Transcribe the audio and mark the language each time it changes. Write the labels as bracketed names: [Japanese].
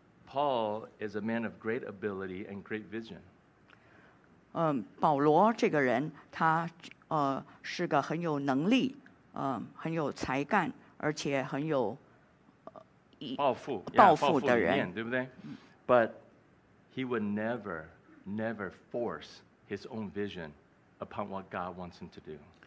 [English] Paul is a man of great ability and great vision. [Chinese] 保罗这个人，他是个很有能力，很有才干，而且很有抱负的人，对不对？ [English] But he would never, never force his own vision upon what God wants him to do.